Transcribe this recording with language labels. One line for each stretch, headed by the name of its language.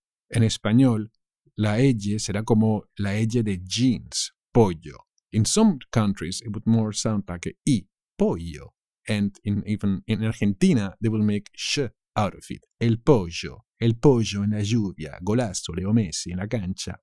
Spanish: En español, la L será como la L de jeans, pollo.
English: In some countries, it would more sound like a I, pollo. And even in Argentina, they will make sh out of it.
Spanish: El pollo en la lluvia, golazo, Leo Messi en la cancha.